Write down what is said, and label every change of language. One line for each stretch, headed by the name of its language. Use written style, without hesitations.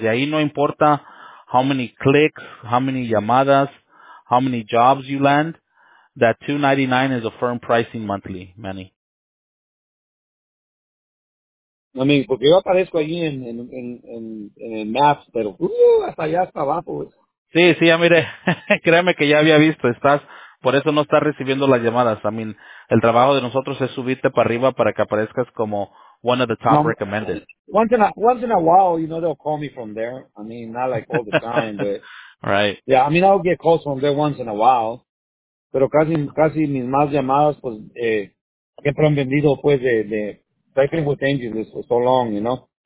English: Y ahí no importa how many clicks, how many llamadas, how many jobs you land, that $299 is a firm pricing monthly, Manny.
Spanish: I mean, porque yo aparezco allí en el Maps, pero hasta allá, hasta abajo. Sí, ya mire, créeme que ya había visto, estás, por eso no estás recibiendo las llamadas. I mean, el trabajo de nosotros es subirte para arriba para que aparezcas como one of the top recommended.
English: Once in a while, you know, they'll call me from there. I mean, not like all the time, but... Right. Yeah, I mean, I'll get calls from there once in a while, pero casi mis más llamadas, pues, siempre han vendido, pues, de I've been with Angels for so long, you know?